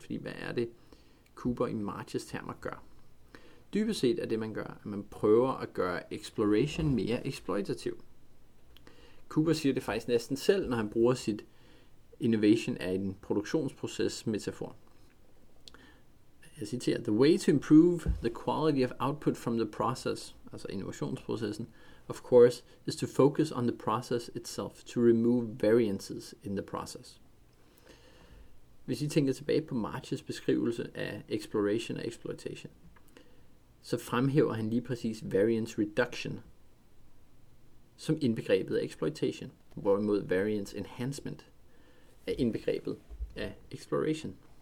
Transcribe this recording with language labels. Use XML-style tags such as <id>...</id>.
<da>Fordi hvad er det, Cooper i Marches termer gør? Dybest set er det, man gør, at man prøver at gøre exploration mere exploitativ. Cooper siger det faktisk næsten selv, når han bruger sit innovation af en produktionsproces-metafor. Jeg citerer,</da> <en>"The way to improve the quality of output from the process,"</en> <da>altså innovationsprocessen,</da> <en>"of course, is to focus on the process itself, to remove variances in the process."</en> <da>Hvis I tænker tilbage på Marches beskrivelse af exploration og exploitation, så fremhæver han lige præcis variance reduction som indbegrebet af exploitation, hvorimod variance enhancement er indbegrebet af exploration.</da>